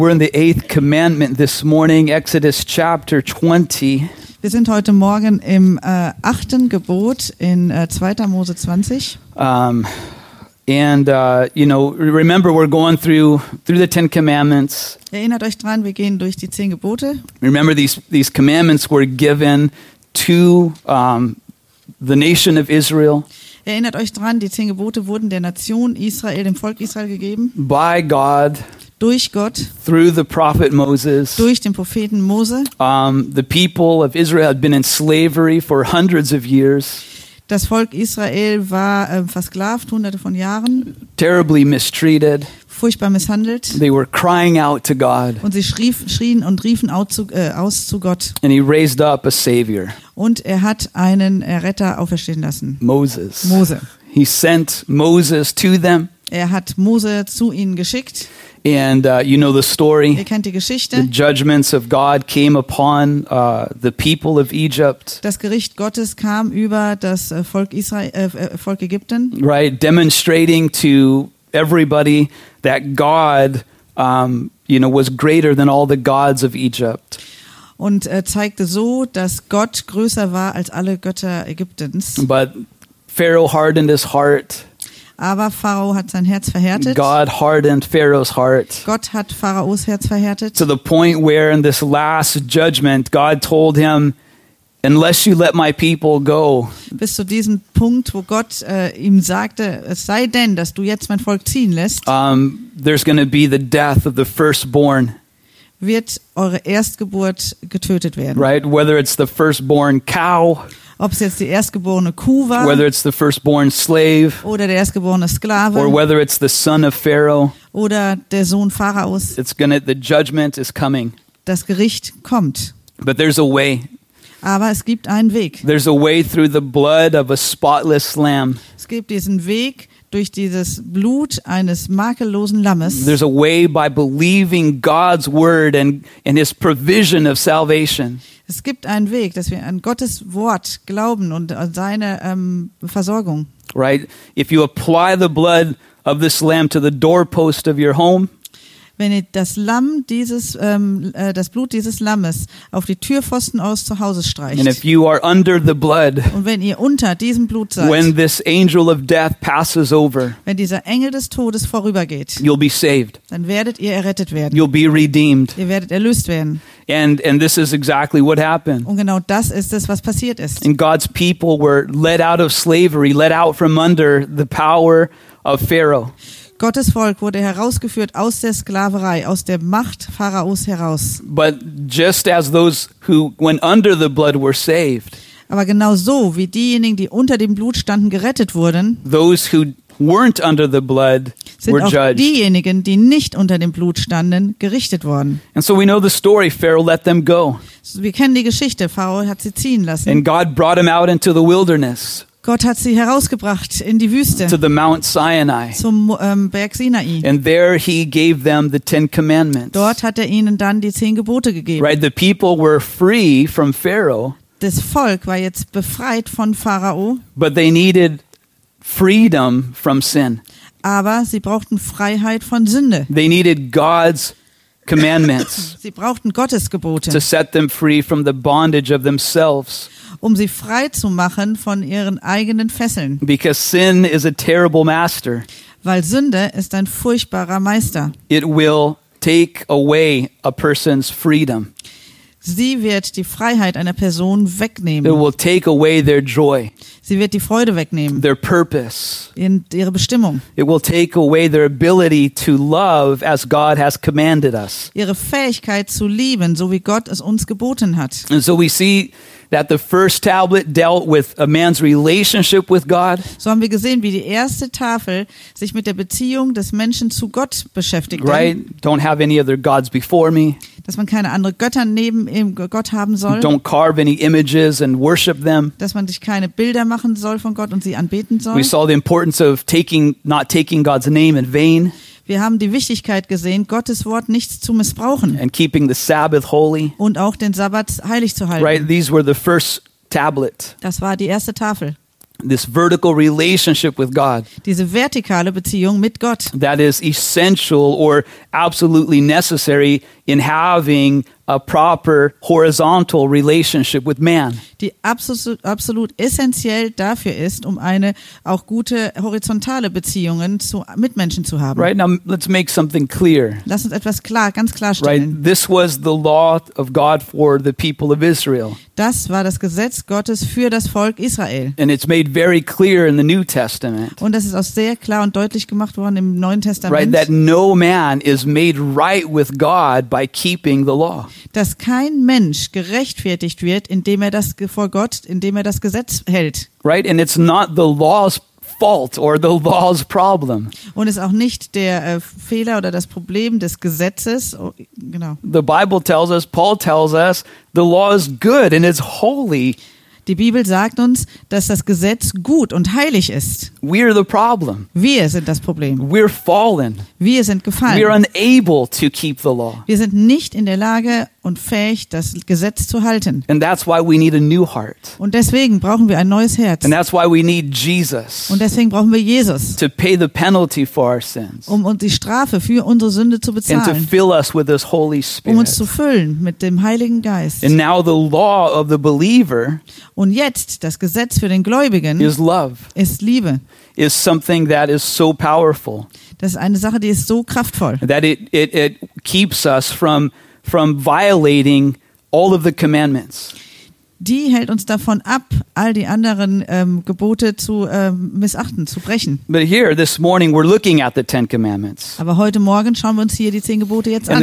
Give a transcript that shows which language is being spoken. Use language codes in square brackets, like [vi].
[en] We're in the eighth commandment this morning, Exodus chapter 20. [de] Wir sind heute Morgen im achten Gebot in 2. Mose 20. [en] Remember, we're going through the Ten Commandments. [de] Erinnert euch dran, wir gehen durch die zehn Gebote. [en] Remember, these commandments were given to the nation of Israel. [de] Erinnert euch dran, die zehn Gebote wurden der Nation Israel, dem Volk Israel gegeben. [en] By God. [de] Durch Gott, [en] through the prophet Moses, [de] durch den Propheten Mose, [en] the people of Israel had been in slavery for hundreds of years. [de] Das Volk Israel war versklavt hunderte von Jahren. [en] Terribly mistreated. [de] Furchtbar misshandelt. [en] They were crying out to God. [de] Und sie schrien und riefen aus zu Gott. [en] And he raised up a savior. [de] Und er hat einen Retter auferstehen lassen. [en] Moses. [de] Mose. [en] He sent Moses to them. [de] Er hat Mose zu ihnen geschickt. [en] And you know the story. [de] Ihr kennt die Geschichte. [en] The judgments of God came upon the people of Egypt. [de] Das Gericht Gottes kam über das Volk Israel, Volk Ägypten. [en] Right, demonstrating to everybody that God, was greater than all the gods of Egypt. [de] Und zeigte so, dass Gott größer war als alle Götter Ägyptens. [en] But Pharaoh hardened his heart. [de] Aber Pharao hat sein Herz verhärtet. [en] God hardened Pharaoh's heart. [de] Gott hat Pharaos Herz verhärtet. [en] To the point where in this last judgment God told him, unless you let my people go. [de] Bis zu diesem Punkt, wo Gott ihm sagte, es sei denn, dass du jetzt mein Volk ziehen lässt. [en] There's going to be the death of the firstborn. [de] Wird eure Erstgeburt getötet werden. [en] Right, whether it's the firstborn cow. [de] Ob es jetzt die erstgeborene Kuh war, [en] whether it's the firstborn slave, [de] oder der erstgeborene Sklave, [en] or whether it's the son of Pharaoh, [de] oder der Sohn Pharaos, [en] the judgment is coming. [de] Das Gericht kommt. [en] But there's a way. [de] Aber es gibt einen Weg. [en] There's a way through the blood of a spotless lamb. [de] Es gibt diesen Weg durch dieses Blut eines makellosen Lammes. [en] There's a way by believing God's word and his provision of salvation. [de] Es gibt einen Weg, dass wir an Gottes Wort glauben und an seine Versorgung. [en] Right? If you apply the blood of this lamb to the doorpost of your home, [de] wenn ihr das Lamm dieses das Blut dieses Lammes auf die Türpfosten aus zu Hause streicht, [en] and if you are under the blood, [de] und wenn ihr unter diesem Blut seid, [en] when this angel of death passes over, [de] wenn dieser Engel des Todes vorübergeht, [en] you'll be saved, [de] dann werdet ihr errettet werden, [en] you'll be redeemed, [de] ihr werdet erlöst werden, [en] and this is exactly what happened, [de] und genau das ist es, was passiert ist. [en] And God's people were led out of slavery, led out from under the power of Pharaoh. [de] Gottes Volk wurde herausgeführt aus der Sklaverei, aus der Macht Pharaos heraus. [en] But just as those who went under the blood were saved. [de] Aber genau so wie diejenigen, die unter dem Blut standen, gerettet wurden. [en] Those who weren't under the blood were judged. [de] Sind auch diejenigen, die nicht unter dem Blut standen, gerichtet worden. [en] And so we know the story. Pharaoh let them go. So [de] wir kennen die Geschichte. Pharao hat sie ziehen lassen. [en] And God brought them out into the wilderness. [de] Gott hat sie herausgebracht in die Wüste, [en] to the Mount Sinai, [de] zum Berg Sinai. [en] And there he gave them the Ten Commandments. [de] Dort hat er ihnen dann die zehn Gebote gegeben. [en] Right, the people were free from Pharaoh. [de] Das Volk war jetzt befreit von Pharao. [en] But they needed freedom from sin. [de] Aber sie brauchten Freiheit von Sünde. [en] They needed God's commandments. [de] Sie brauchten Gottes Gebote. [en] To set them free from the bondage of themselves. [de] Um sie frei zu machen von ihren eigenen Fesseln. [en] Because sin is a terrible master. [de] Weil Sünde ist ein furchtbarer Meister. [en] It will take away a person's freedom. [de] Sie wird die Freiheit einer Person wegnehmen. [en] It will take away their joy. [de] Sie wird die Freude wegnehmen. [en] Their purpose. [de] In ihre Bestimmung. [en] It will take away their ability to love as God has commanded us. [de] Ihre Fähigkeit zu lieben, so wie Gott es uns geboten hat. [en] And so we see that the first tablet dealt with a man's relationship with God. [de] So haben wir gesehen, wie die erste Tafel sich mit der Beziehung des Menschen zu Gott beschäftigt. [en] Right? Don't have any other gods before me. [de] Dass man keine anderen Götter neben Gott haben soll. [en] Don't carve any images and worship them. [de] Dass man sich keine Bilder machen soll von Gott und sie anbeten soll. [en] We saw the importance of not taking God's name in vain. [de] Wir haben die Wichtigkeit gesehen, Gottes Wort nicht zu missbrauchen. [en] And keeping the Sabbath holy. [de] Und auch den Sabbat heilig zu halten. [en] Right, these were the first tablet. [de] Das war die erste Tafel. [en] This vertical relationship with God. [de] Diese vertikale Beziehung mit Gott. [en] That is essential or absolutely necessary in having a proper horizontal relationship with man. [de] Die absolut essentiell dafür ist, um eine auch gute horizontale Beziehungen zu Mitmenschen zu haben. [en] Right, now let's make something clear. [de] Lass uns etwas klar, ganz klar stellen. [en] Right, this was the law of God for the people of Israel. [de] Das war das Gesetz Gottes für das Volk Israel. [en] And it's made very clear in the New Testament. [de] Und das ist auch sehr klar und deutlich gemacht worden im Neuen Testament. [en] Right, that no man is made right with God by keeping the law. [de] Dass kein Mensch gerechtfertigt wird, indem er das vor Gott, indem er das Gesetz hält. [en] Right, and it's not the law's fault or the law's problem. [de] Und es ist auch nicht der Fehler oder das Problem des Gesetzes. Oh, genau. [en] The Bible tells us, Paul tells us, the law is good and it's holy. [de] Die Bibel sagt uns, dass das Gesetz gut und heilig ist. [en] We are the problem. [de] Wir sind das Problem. [en] We're fallen. [de] Wir sind gefallen. [en] We are unable to keep the law. [de] Wir sind nicht in der Lage und fähig, das Gesetz zu halten. [en] And that's why we need a new heart. [de] Und deswegen brauchen wir ein neues Herz. [en] And that's why we need Jesus. [de] Und deswegen brauchen wir Jesus. [en] To pay the penalty for our sins. [de] Um uns die Strafe für unsere Sünde zu bezahlen. [en] And to fill us with this Holy Spirit. [de] Um uns zu füllen mit dem Heiligen Geist. [en] And now the law of the believer. [de] Und jetzt das Gesetz für den Gläubigen [en] is love. [de] Ist Liebe. [en] Is something that is so powerful. [de] Das ist eine Sache, die ist so kraftvoll. [en] That it keeps us from violating all of the commandments. [de] Die hält uns davon ab, all die anderen Gebote zu missachten, zu brechen. [en] But here this morning we're looking at the Ten Commandments. [de] Aber heute Morgen schauen wir uns hier die zehn Gebote jetzt an.